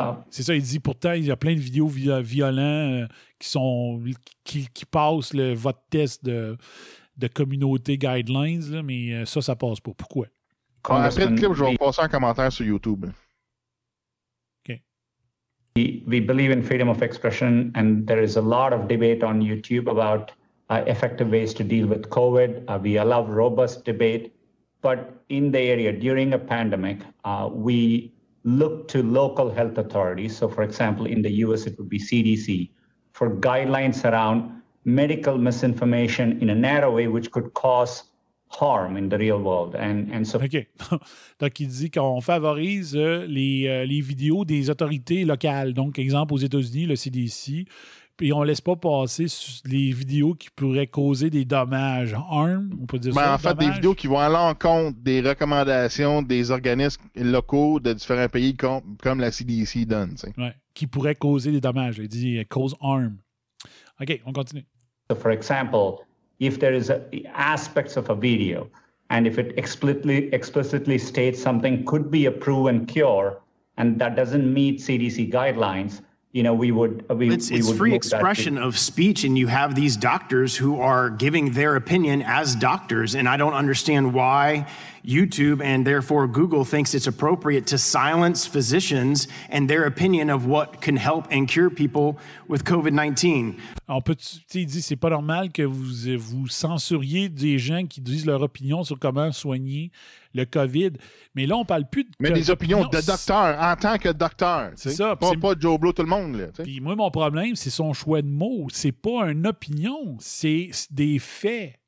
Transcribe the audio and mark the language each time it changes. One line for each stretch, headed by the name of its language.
French: C'est ça, il dit, pourtant, il y a plein de vidéos violentes qui passent votre test de communauté guidelines, là, mais ça passe pas. Pourquoi? Après le clip, je vais passer un commentaire sur YouTube. OK.
English: We believe in freedom of expression, and there is a lot of debate on YouTube about effective ways to deal with COVID. We allow robust debate, but in the area, during a pandemic, we look to local health authorities. So for example, in the US, it would be CDC for guidelines around medical misinformation in a narrow way, which could cause harm in the real world. And so.
French: OK. Donc, il dit qu'on favorise les vidéos des autorités locales. Donc, exemple, aux États-Unis, le CDC, puis on laisse pas passer les vidéos qui pourraient causer des dommages, harm, on peut dire ben ça. En fait, des vidéos qui vont à l'encontre des recommandations des organismes locaux de différents pays comme la CDC donne, tu sais. Ouais, qui pourraient causer des dommages, il dit
English: cause harm.
French: OK, on continue.
English: So for example, if there is aspects of a video and if it explicitly states something could be a proven cure and that doesn't meet CDC guidelines, you know, it's free expression of speech, and you have these doctors who are giving their opinion as doctors, and I don't understand why YouTube and therefore Google thinks it's appropriate to silence physicians and their opinion of what can help and cure people with COVID-19.
French: On peut, t'sais, il dit, c'est pas normal que vous censuriez des gens qui disent leur opinion sur comment soigner le COVID. Mais là, on parle plus de. Mais des opinions de docteur, en tant que docteur. C'est ça. Pas Joe Blow, tout le monde. Là, puis moi, mon problème, c'est son choix de mots. C'est pas une opinion, c'est des faits.